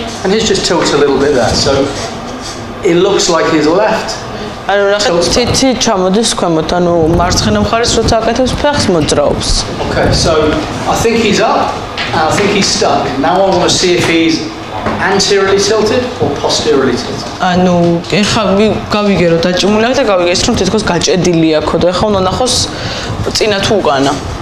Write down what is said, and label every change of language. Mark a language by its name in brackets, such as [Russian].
[English] And he's just tilted a little bit there. So it looks like his left. [Georgian] ანუ რა თითი ჩამოდის ქვემოთ, ანუ მარცხენა მხარეს როცა აკეთებს ფეხს მოძრაობს. [English] Okay. So I think he's up. And I think he's stuck. Now I want to see if he's anteriorly tilted or posteriorly tilted. [Georgian] ანუ ეხა გავიგე რომ დაჭიმული აქვს და გავიგე ის რომ თითქოს გაჭედილი აქვს და ეხა უნდა ნახოს წინა თუ უკანა.